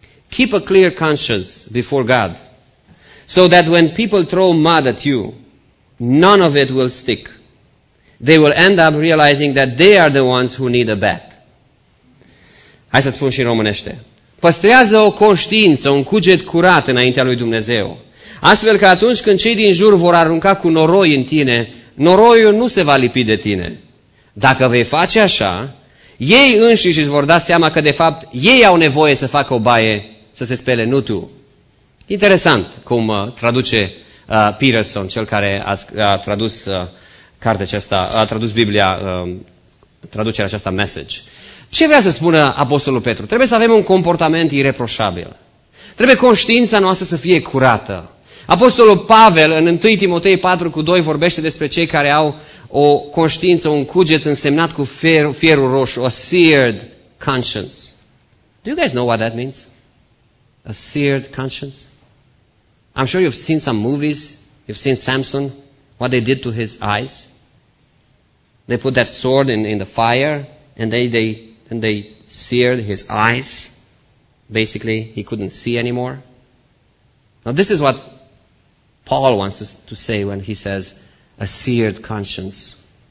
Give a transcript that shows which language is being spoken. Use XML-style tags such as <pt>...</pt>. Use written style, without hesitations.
<en>Keep a clear conscience before God, so that when people throw mud at you, none of it will stick. They will end up realizing that they are the ones who need a bath.</en> <ro>Hai să-ți spun și în românește. Păstrează o conștiință, un cuget curat înaintea lui Dumnezeu, astfel că atunci când cei din jur vor arunca cu noroi în tine, noroiul nu se va lipi de tine. Dacă vei face așa, ei înșiși îți vor da seama că, de fapt, ei au nevoie să facă o baie, să se spele, nu tu. Interesant cum traduce Peterson, cel care a tradus Biblia, traducerea aceasta, Message. Ce vrea să spună Apostolul Petru? Trebuie să avem un comportament ireproșabil. Trebuie conștiința noastră să fie curată. Apostolul Pavel, în 1 Timotei 4:2, vorbește despre cei care au o conștiință, un cuget însemnat cu fierul roșu,</ro> <en>a seared conscience. Do you guys know what that means? A seared conscience? I'm sure you've seen some movies, you've seen Samson, what they did to his eyes. They put that sword in the fire and they seared his eyes. Basically, he couldn't see anymore. Now this is what Paul wants to say when he says, a seared conscience.</en>